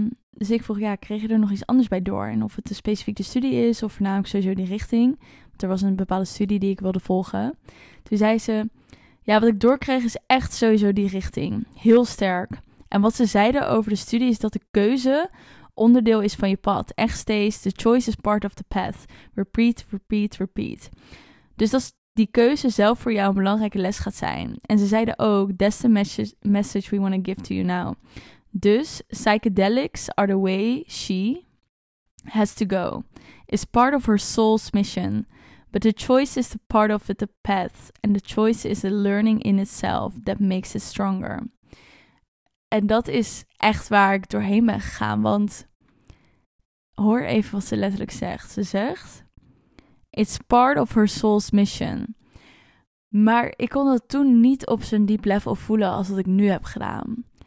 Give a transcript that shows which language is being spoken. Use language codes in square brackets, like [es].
[nl] Dus ik vroeg, ja, kreeg je er nog iets anders bij door? En of het een specifieke studie is of voornamelijk sowieso die richting. Want er was een bepaalde studie die ik wilde volgen. Toen zei ze, ja, wat ik doorkreeg is echt sowieso die richting. Heel sterk. En wat ze zeiden over de studie is dat de keuze onderdeel is van je pad. Echt steeds, [en] the choice is part of the path. Repeat, repeat, repeat. [nl] Dus dat is die keuze zelf voor jou een belangrijke les gaat zijn. En ze zeiden ook, [en] that's the message we want to give to you now. Dus, psychedelics are the way she has to go. It's part of her soul's mission. But the choice is the part of the path. And the choice is the learning in itself that makes it stronger. [nl] En dat is echt waar ik doorheen ben gegaan. Want hoor even wat ze letterlijk zegt. Ze zegt, [en] it's part of her soul's mission. [nl] Maar ik kon dat toen niet op zo'n diep level voelen als wat ik nu heb gedaan.